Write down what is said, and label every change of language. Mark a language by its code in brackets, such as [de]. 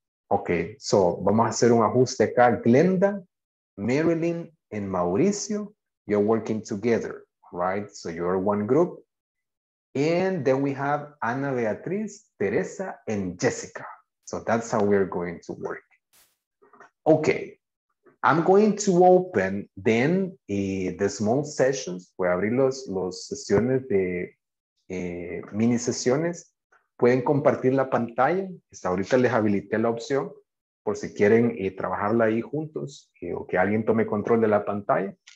[es] Okay, so vamos a hacer un ajuste acá. [en] Glenda, Marilyn, and Mauricio, you're working together, right? So you're one group. And then we have Ana Beatriz, Teresa, and Jessica. So that's how we're going to work. Okay, I'm going to open then the small sessions. [es] Voy a abrir los sesiones de mini sesiones. Pueden compartir la pantalla. Hasta ahorita les habilité la opción por si quieren trabajarla ahí juntos o que alguien tome control de la pantalla.